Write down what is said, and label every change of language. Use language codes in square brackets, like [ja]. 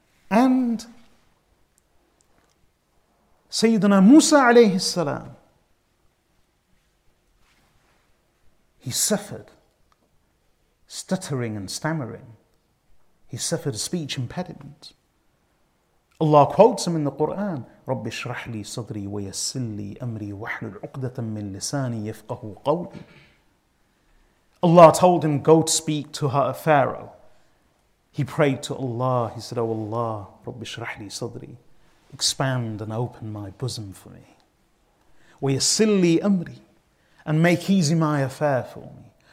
[en] And Sayyidina Musa alayhi salam, he suffered stuttering and stammering. He suffered a speech impediment. Allah quotes him in the Quran, [ar] رَبِّ اشْرَحْ لِي صَدْرِي وَيَسِّرْ لِي أَمْرِي وَحْلُلْ عُقْدَةً مِّن لِسَانِي يَفْقَهُ قَوْلِي. [en] Allah told him, go to speak to her, Pharaoh. He prayed to Allah. He said, oh Allah, [ar] رَبِّ اشْرَحْ لِي صَدْرِي, [en] expand and open my bosom for me. [ar] وَيَسِّرْ لِي أَمْرِي, [en] and make easy my affair for me.